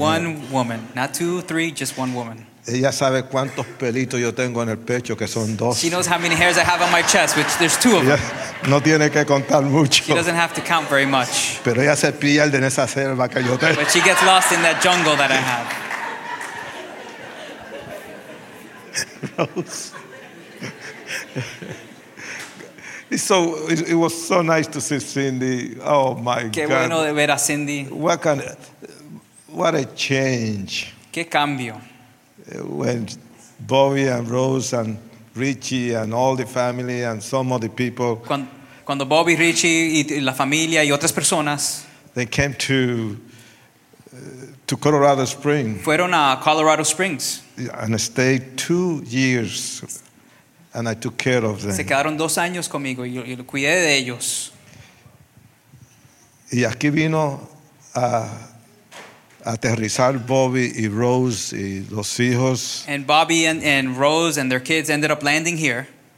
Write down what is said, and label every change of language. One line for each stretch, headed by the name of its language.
English: One woman, not two, three, just one woman.
Spanish: Ella sabe cuántos pelitos yo tengo en el pecho, que son dos.
English: She knows how many hairs I have on my chest, which there's two of them.
Spanish: No tiene que contar mucho.
English: She doesn't have to count very much.
Spanish: Pero ella se pierde en esa selva que yo tengo.
English: But she gets lost in that jungle that I have. So it was so nice to see Cindy. Oh my God!
Spanish: Qué bueno de ver a Cindy.
English: What a change!
Spanish: Qué cambio!
English: When Bobby and Rose and Richie and all the family and some of the people.
Spanish: Cuando Bobby, Richie y la familia y otras personas.
English: They came to Colorado Springs.
Spanish: Fueron a Colorado Springs.
English: And stayed 2 years. And I took care of them.
Spanish: Se quedaron dos años conmigo y yo cuidé de ellos. Y aquí vino a aterrizar Bobby y Rose y los hijos.
English: And Bobby and Rose and their kids ended up landing here.